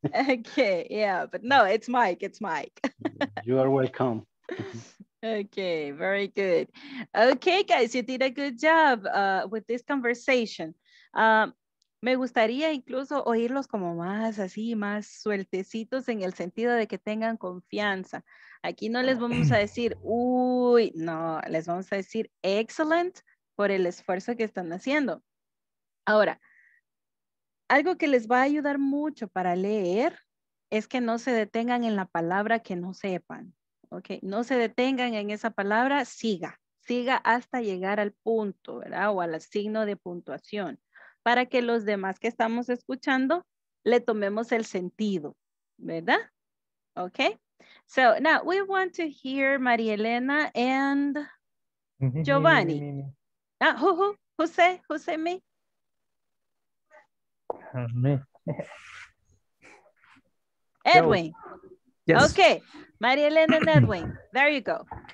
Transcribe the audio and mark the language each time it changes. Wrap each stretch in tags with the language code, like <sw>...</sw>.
<en>Okay, yeah, but no, it's Mike, it's Mike. You are welcome. Okay, very good. Okay, guys, you did a good job with this conversation.</en> <es>Me gustaría incluso oírlos como más así, más sueltecitos en el sentido de que tengan confianza. Aquí no les vamos a decir, uy, no, les vamos a decir excellent por el esfuerzo que están haciendo. Ahora, algo que les va a ayudar mucho para leer es que no se detengan en la palabra que no sepan. Okay, no se detengan en esa palabra, siga hasta llegar al punto, ¿verdad? O al signo de puntuación. Para que los demás que estamos escuchando le tomemos el sentido, ¿verdad?</es> <en>Okay. So now we want to hear María Elena and Giovanni. Who say me? Me. Edwin. Yes. Okay. María Elena and Edwin. There you go.</en>